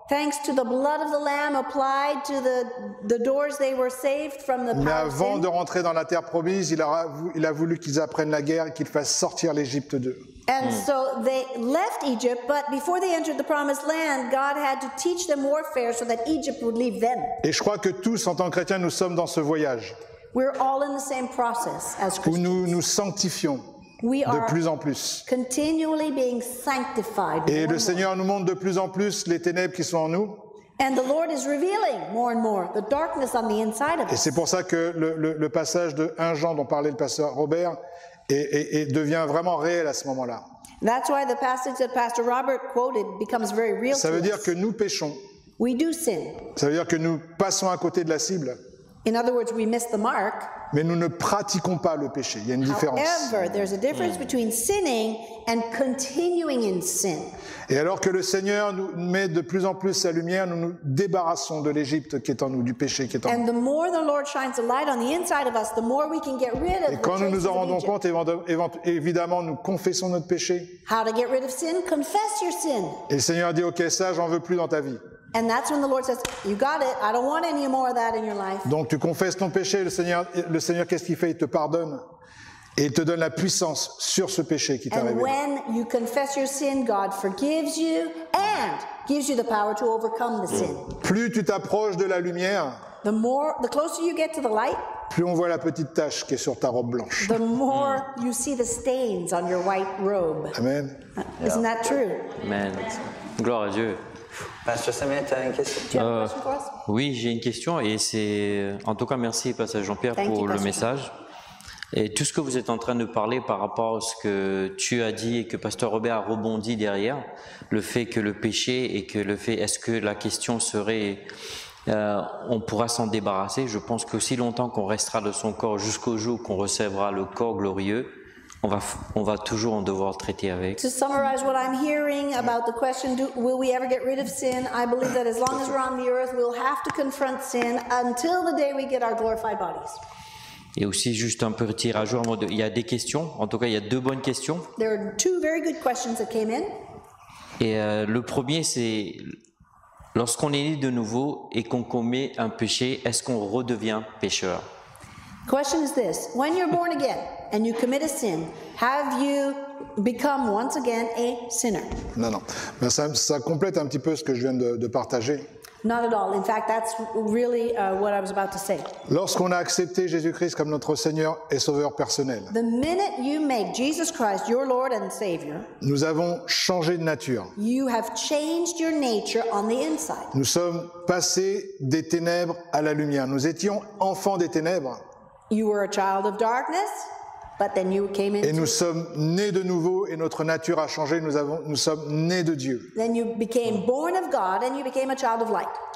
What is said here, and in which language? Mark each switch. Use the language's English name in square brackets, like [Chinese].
[English] Thanks to the blood of the lamb applied to the doors, they were saved from the power. [French] Mais avant de rentrer dans la terre promise, il a voulu qu'ils apprennent la guerre et qu'ils fassent sortir l'Égypte d'eux. [English] And so they left Egypt, but before they entered the promised land, God had to teach them warfare so that Egypt would leave them. [French] Et je crois que tous, en tant que chrétiens, nous sommes dans ce voyage. [English] We're all in the same process as Christians. [French] Où nous sanctifions de plus en plus. [English] Continually being sanctified. [French] Et le Seigneur nous montre de plus en plus les ténèbres qui sont en nous. [English] And the Lord is revealing more and more the darkness on the inside of us. [French] Et c'est pour ça que le passage de 1 Jean dont parlait le pasteur Robert et devient vraiment réel à ce moment-là. [English] That's why the passage that Pastor Robert quoted becomes very real. [French] Ça veut dire que nous péchons. [English] We do sin. [French] Ça veut dire que nous passons à côté de la cible. [English] In other words, we miss the mark. [French] Mais nous ne pratiquons pas le péché. Il y a une différence. [English] However, there's a difference between sinning and continuing in sin. [French] Et alors que le Seigneur nous met de plus en plus sa lumière, nous nous débarrassons de l'Égypte qui est en nous, du péché qui est en nous. [English] And the more the Lord shines a light on the inside of us, the more we can get rid of the traces. [French] Et quand nous nous en rendons compte, évidemment, nous confessons notre péché. [English] How to get rid of sin? Confess your sin. [French] Et le Seigneur dit, OK, ça, j'en veux plus dans ta vie. [English] And that's when the Lord says, you got it. I don't want any more of that in your life. [French] Donc tu confesses ton péché, le Seigneur qu'est-ce qu'il fait? Il te pardonne et il te donne la puissance sur ce péché qui t'est révélé. [English] And when you confess your sin, God forgives you and gives you the power to overcome the sin. [French] Plus tu t'approches de la lumière, [English] the closer you get to the light, [French] plus on voit la petite tache qui est sur ta robe blanche. [English] The more you see the stains on your white robe. Amen. Yeah. Isn't that true? [French] Amen. Gloire à Dieu. Pasteur Samuel, tu as une question pour toi? Oui, j'ai une question et c'est en tout cas merci Pasteur Jean-Pierre [English] Thank [French] pour [English] you, [French] le message et tout ce que vous êtes en train de parler par rapport à ce que tu as dit et que Pasteur Robert a rebondi derrière le fait que le péché et que le fait est-ce que la question serait on pourra s'en débarrasser. Je pense qu'aussi longtemps qu'on restera de son corps jusqu'au jour qu'on recevra le corps glorieux, on va toujours en devoir traiter avec. [English] To summarize what I'm hearing about the question, will we ever get rid of sin? I believe that as long as we're on the earth, we'll have to confront sin until the day we get our glorified bodies. [French] Et aussi juste un petit tirage, il y a des questions, en tout cas il y a deux bonnes questions. [English] There are two very good questions that came in. [French] Et le premier c'est, lorsqu'on est né de nouveau et qu'on commet un péché, est-ce qu'on redevient pécheur? [English] The question is this, when you're born again and you commit a sin, have you become once again a sinner? [French] Non. Mais ça complète un petit peu ce que je viens de partager. [English] Not at all. In fact, that's really what I was about to say. [French] Lorsqu'on a accepté Jésus-Christ comme notre Seigneur et Sauveur personnel, [English] the minute you make Jesus Christ your Lord and Savior, [French] nous avons changé de nature. [English] You have changed your nature on the inside. [French] Nous sommes passés des ténèbres à la lumière. Nous étions enfants des ténèbres. [English] You were a child of darkness, but then you came into. [French] Et nous sommes nés de nouveau, et notre nature a changé. Nous sommes nés de Dieu. [English] Then you became born of God, and you became a child of light.